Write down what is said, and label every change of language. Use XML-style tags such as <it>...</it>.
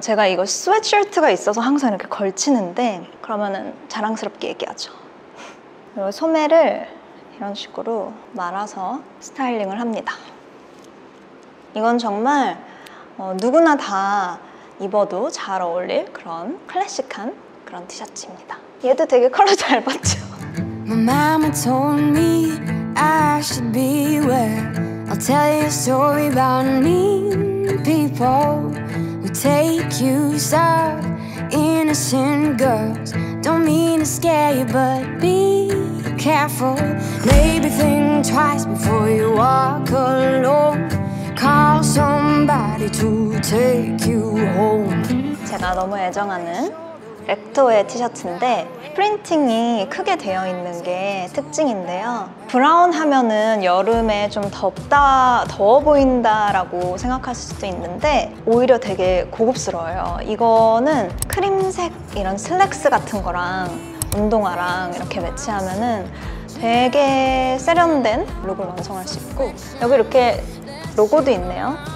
<ko>제가 이거 스웨트셔츠가 있어서 항상 이렇게 걸치는데 그러면은 자랑스럽게 얘기하죠. 그리고 소매를 이런 식으로 말아서 스타일링을 합니다. 이건 정말 누구나 다 입어도 잘 어울릴 그런 클래식한 그런 티셔츠입니다. 얘도 되게 컬러 잘 봤죠?</ko> <en>My mama told me I should be aware. I'll tell you a story about mean people who take you soft, innocent girls. Don't mean to scare you, but be careful. Maybe think twice before you walk alone. Call somebody to take you home.</en> <ko>제가 너무 애정하는 렉토의 티셔츠인데 프린팅이 크게 되어 있는 게 특징인데요. 브라운 하면은 여름에 좀 더워 보인다라고 생각하실 수도 있는데 오히려 되게 고급스러워요. 이거는 크림색 이런 슬랙스 같은 거랑 운동화랑 이렇게 매치하면은 되게 세련된 룩을 완성할 수 있고, 여기 이렇게 로고도 있네요.</ko>